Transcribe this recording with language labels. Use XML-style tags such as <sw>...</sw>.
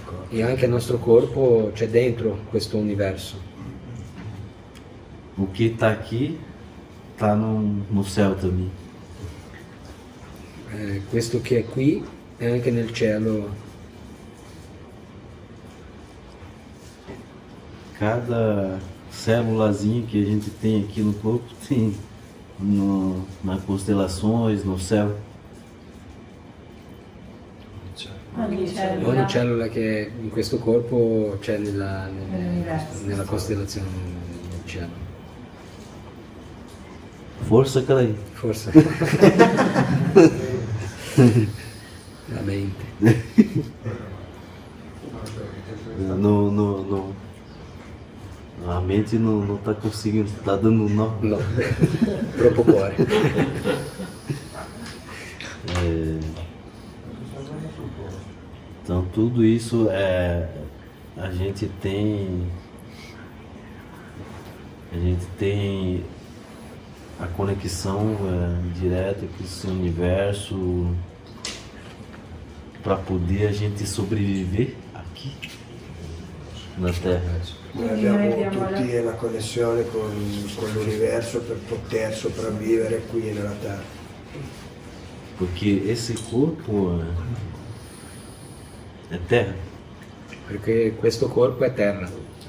<it>E anche il nostro corpo c'è dentro questo universo.</it> <pt>O que está aqui está no céu também.</pt> <it>Questo che è qui è anche nel cielo.</it> <pt>Cada célulazinha que a gente tem aqui no corpo tem no, nas constelações, no céu.</pt> <it>Ogni cellula che è in questo corpo c'è nella costellazione del cielo.</it> <pt>Força, cara aí.</pt> <it>Forse. La mente.</it> <pt>Não, a mente não tá conseguindo, tá dando nó.</pt> <it>No, troppo cuore.</it> <pt>Então tudo isso a gente tem. A gente tem a conexão direta com esse universo para poder a gente sobreviver aqui na Terra.</pt> <it>Abbiamo tutti la connessione con l'universo per poter sopravvivere qui nella Terra.</it> <pt>Porque esse corpo è Terra.</pt> <it>Perché questo corpo è terra.</it>